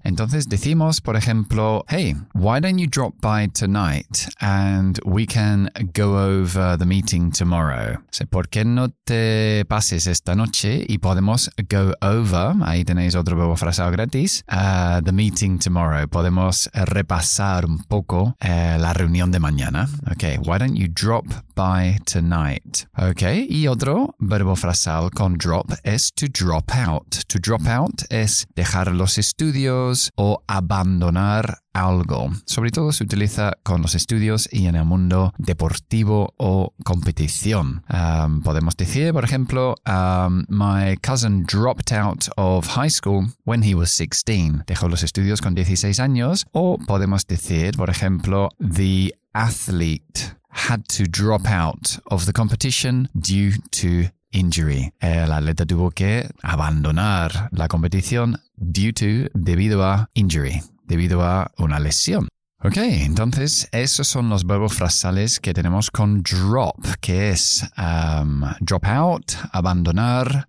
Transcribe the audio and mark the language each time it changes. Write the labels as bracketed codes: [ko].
[es] Entonces decimos, por ejemplo, [en] hey, why don't you drop by tonight and we can go over the meeting tomorrow? [es] O sea, ¿por qué no te pases esta noche y podemos [en] go over, [es] ahí tenéis otro verbo frasado gratis, [en] the meeting tomorrow? [es] Podemos repasar un poco la reunión de mañana. [en] Ok, why don't you drop by tonight? [es] Ok, y otro verbo frasal con drop es to drop out. To drop out es dejar los estudios o abandonar algo. Sobre todo se utiliza con los estudios y en el mundo deportivo o competición. Podemos decir, por ejemplo, [en] my cousin dropped out of high school when he was 16. [es] Dejó los estudios con 16 años. O podemos decir, por ejemplo, [en] the athlete had to drop out of the competition due to injury. [es] El atleta tuvo que abandonar la competición debido a injury, debido a una lesión. Ok, entonces esos son los verbos frasales que tenemos con drop, que es drop out, abandonar.